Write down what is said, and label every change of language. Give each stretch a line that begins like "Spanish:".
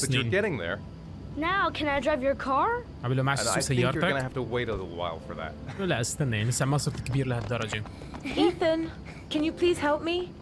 English: but you're getting there. Now, can I drive your car?
Arabic: قبل ما اسوق سيارتك.
English: I think you're gonna have to wait a little while for that.
Arabic: لا استنى، أنا ما صرت كبير لهالدرجة.
English: Ethan, can you please help me?